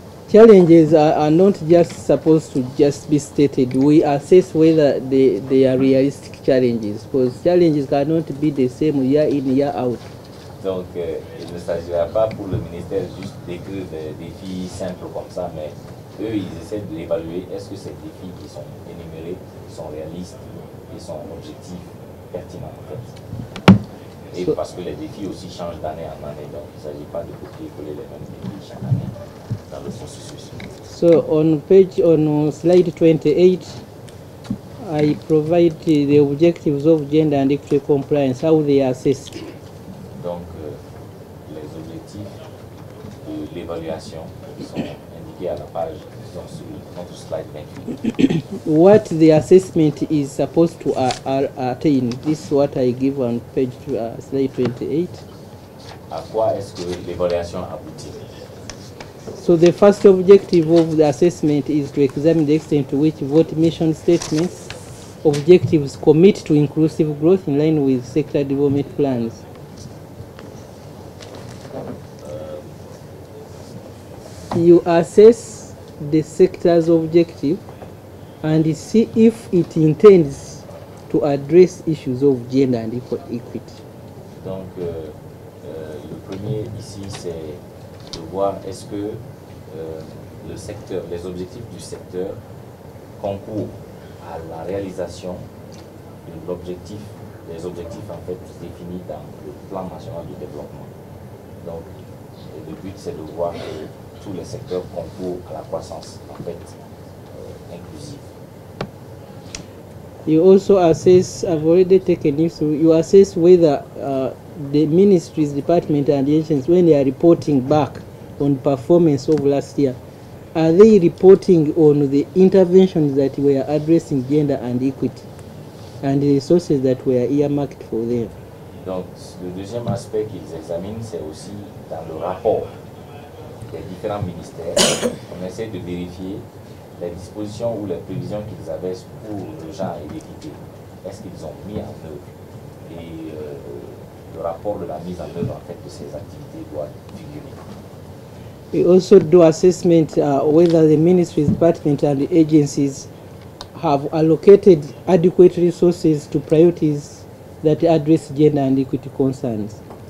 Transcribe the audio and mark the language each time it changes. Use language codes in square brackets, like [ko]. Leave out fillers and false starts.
[en] Challenges are not just supposed to just be stated. We assess whether they are realistic challenges, because challenges cannot be the same year in, year out. [fr] Donc, il ne s'agira pas pour le ministère juste d'écrire des défis simples comme ça, mais eux, ils essaient de l'évaluer. Est-ce que ces défis qui sont énumérés sont réalistes et sont objectifs pertinents, en fait? Et so, parce que les défis aussi changent d'année en année, donc il ne s'agit pas de copier-coller les mêmes défis chaque année dans le processus. [en] So, on slide 28, I provide the objectives of gender and equity compliance, how they assist. [fr] Donc, les objectifs de l'évaluation sont indiqués à la page, disons, sur notre slide 28. [en] What the assessment is supposed to attain, this is what I give on page slide 28. [fr] À quoi est-ce que l'évaluation aboutit? [en] So the first objective of the assessment is to examine the extent to which vote mission statements objectives commit to inclusive growth in line with sector development plans. You assess the sector's objective and see if it intends to address issues of gender and equity. [fr] Donc, le premier ici, c'est de voir est-ce que le secteur, les objectifs du secteur concourent à la réalisation de l'objectif, des objectifs en fait définis dans le plan national de développement. Donc, le but, c'est de voir que tous les secteurs concourent à la croissance, en fait, inclusive. [en] You also assess, I've already taken this, you assess whether the ministries, department and agencies, when they are reporting back on performance of last year, are they reporting on the interventions that were addressing gender and equity and the resources that were earmarked for them? [fr] Donc, le deuxième aspect qu'ils examinent, c'est aussi dans le rapport des différents ministères, on essaie de vérifier les dispositions ou les prévisions qu'ils avaient pour le genre et l'équité. Est-ce qu'ils ont mis en œuvre? Et le rapport de la mise en œuvre, en fait, de ces activités doit figurer. [en] We also do assessment whether the ministries, departments and the agencies have allocated adequate resources to priorities that address gender and equity concerns.